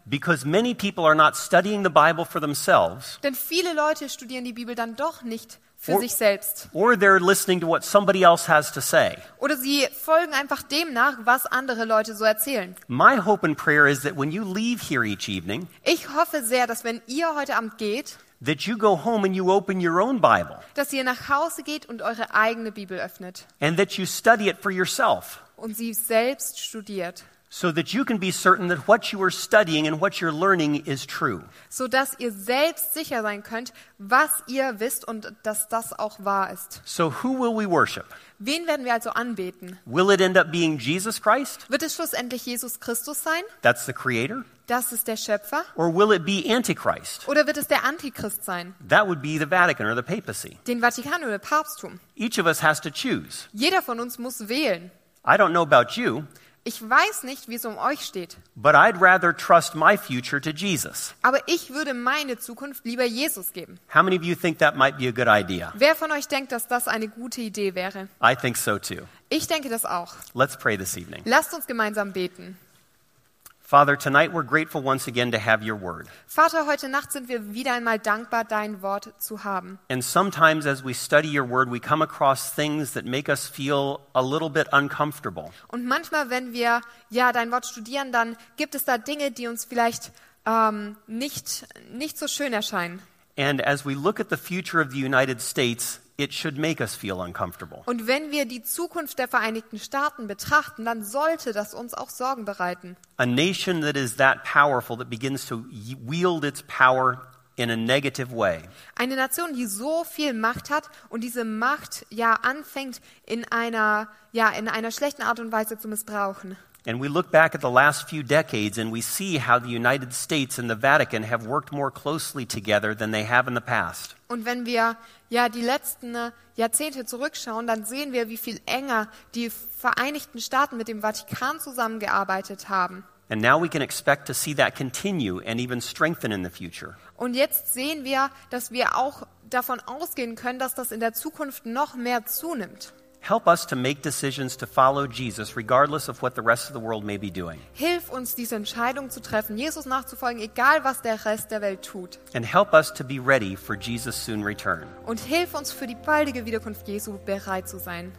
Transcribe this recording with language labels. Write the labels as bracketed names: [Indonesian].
[English] Because many people are not studying the Bible for themselves. [German] Denn viele Leute studieren die Bibel dann doch nicht für sich selbst. [English] Or they're listening to what somebody else has to say. [German] Oder sie folgen einfach dem nach, was andere Leute so erzählen. [English] My hope and prayer is that when you leave here each evening, [German] ich hoffe sehr, dass wenn ihr heute Abend geht, [English] that you go home and you open your own Bible. [German] Dass ihr nach Hause geht und eure eigene Bibel öffnet. [English] And that you study it for yourself. [German] Und sie selbst studiert. [English] So that you can be certain that what you are studying and what you're learning is true. [German] So dass ihr selbst sicher sein könnt, was ihr wisst und dass das auch wahr ist. [English] So who will we worship? [German] Wen werden wir also anbeten? [English] Will it end up being Jesus Christ? [German] Wird es schlussendlich Jesus Christus sein? [English] That's the creator. [German] Das ist der Schöpfer. [English] Or will it be Antichrist? [German] Oder wird es der Antichrist sein? [English] That would be the Vatican or the papacy. [German] Den Vatikan oder Papsttum. [English] Each of us has to choose. [German] Jeder von uns muss wählen. [English] I don't know about you. [German] Ich weiß nicht, wie es um euch steht. [English] But I'd rather trust my future to Jesus. [German] Aber ich würde meine Zukunft lieber Jesus geben. [English] How many of you think that might be a good idea? [German] Wer von euch denkt, dass das eine gute Idee wäre? [English] I think so too. [German] Ich denke das auch. [English] Let's pray this evening. [German] Lasst uns gemeinsam beten. [English] Father, tonight we're grateful once again to have your word. [German] Vater, heute Nacht sind wir wieder einmal dankbar, dein Wort zu haben. [English] And sometimes as we study your word, we come across things that make us feel a little bit uncomfortable. [German] Und manchmal, wenn wir ja dein Wort studieren, dann gibt es da Dinge, die uns vielleicht nicht so schön erscheinen. [English] And as we look at the future of the United States, it should make us feel uncomfortable. [German] Und wenn wir die Zukunft der Vereinigten Staaten betrachten, dann sollte das uns auch Sorgen bereiten. [English] A nation that is that powerful that begins to wield its power in a negative way. [German] Eine Nation, die so viel Macht hat und diese Macht ja anfängt in einer schlechten Art und Weise zu missbrauchen. [English] And we look back at the last few decades and we see how the United States and the Vatican have worked more closely together than they have in the past. [German] Und wenn wir ja die letzten Jahrzehnte zurückschauen, dann sehen wir, wie viel enger die Vereinigten Staaten mit dem Vatikan zusammengearbeitet haben. [English] And now we can expect to see that continue and even strengthen in the future. [German] Und jetzt sehen wir, dass wir auch davon ausgehen können, dass das in der Zukunft noch mehr zunimmt. [English] Help us to make decisions to follow Jesus, regardless of what the rest of the world may be doing. [German] Hilf uns, diese Entscheidung zu treffen, Jesus nachzufolgen, egal was der Rest der Welt tut. [English] And help us to be ready for Jesus' soon return. [German] Und hilf uns, für die baldige Wiederkunft Jesu bereit zu sein.